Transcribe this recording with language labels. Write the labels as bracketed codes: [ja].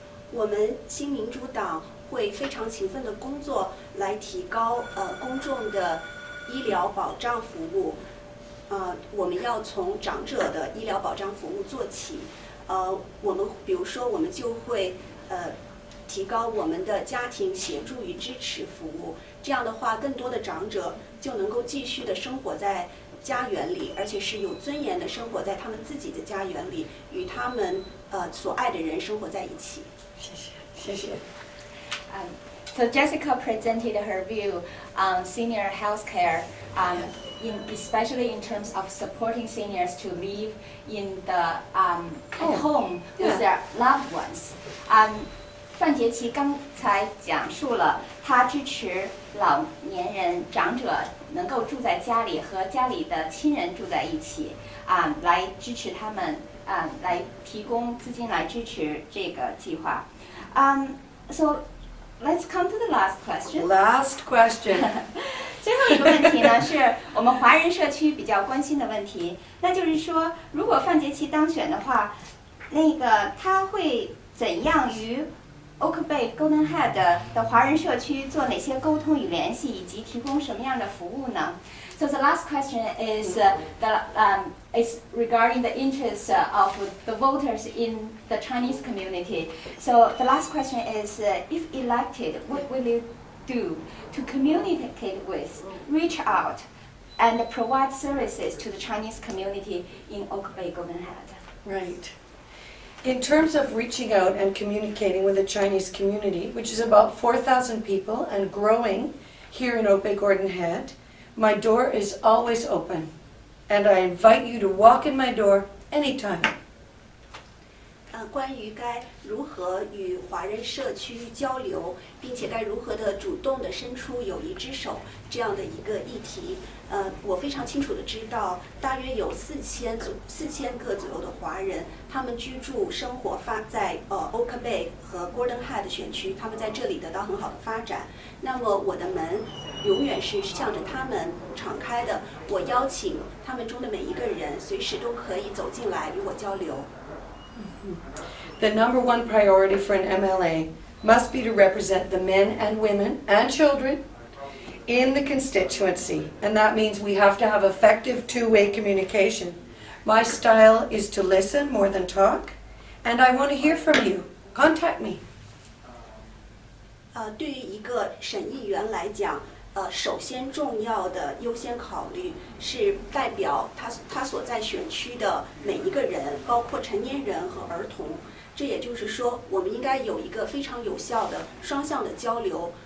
[zh] 我们新民主党会非常勤奋的工作来提高公众的医疗保障服务，我们要从长者的医疗保障服务做起，我们比如说我们就会提高我们的家庭协助与支持服务，这样的话更多的长者就能够继续的生活在家园里，而且是有尊严的生活在他们自己的家园里，与他们所爱的人生活在一起。谢谢。 [en] So Jessica presented her view on senior health care, especially in terms of supporting seniors to live in the at home with their loved ones. [zh] 范杰琪刚才讲述了他支持老年人长者能够住在家里和家里的亲人住在一起，来支持他们，来提供资金来支持这个计划。 [en] So. Let's come to the last question. Last question. [zh] 最后一个问题呢，是我们华人社区比较关心的问题，那就是说，如果范杰琪当选的话，那个他会怎样与 Oak Bay Golden Head 的华人社区做哪些沟通与联系，以及提供什么样的服务呢？ [en] So the last question is is regarding the interests of the voters in the Chinese community. So the last question is, if elected, what will you do to communicate with, reach out, and provide services to the Chinese community in Oak Bay Golden Head? Right. In terms of reaching out and communicating with the Chinese community, which is about 4,000 people and growing here in Oak Bay Golden Head, my door is always open. And I invite you to walk in my door anytime. [zh] 关于该如何与华人社区交流，并且该如何的主动的伸出友谊之手这样的一个议题，我非常清楚的知道，大约有四千个左右的华人，他们居住生活发在Oak Bay 和 Golden Head 的选区，他们在这里得到很好的发展。那么我的门永远是向着他们敞开的，我邀请他们中的每一个人随时都可以走进来与我交流。 [en] The number one priority for an MLA must be to represent the men and women and children in the constituency, and that means we have to have effective two-way communication. My style is to listen more than talk, and I want to hear from you. Contact me. [zh] 对于一个审议员来讲，首先重要的优先考虑是代表他所在选区的每一个人，包括成年人和儿童。这也就是说，我们应该有一个非常有效的双向的交流。